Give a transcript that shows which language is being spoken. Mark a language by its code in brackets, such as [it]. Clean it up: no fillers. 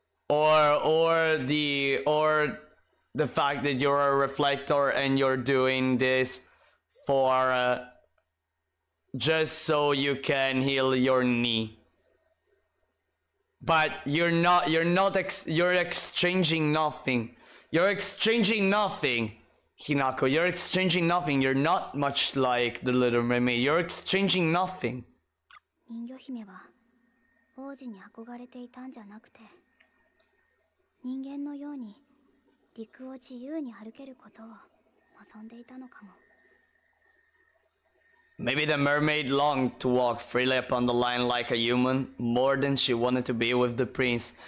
[en] I mean, the relation between you and Ballet, or the fact that you're a reflector and you're doing this for just so you can heal your knee, but you're exchanging nothing, Hinako, you're not much like the little mermaid, you're exchanging nothing. [ja] 人魚姫は王子に憧れていたんじゃなくて人間のように陸を自由に歩けることを望んでいたのかも。 [en] Maybe the mermaid longed to walk freely upon the land like a human more than she wanted to be with the prince.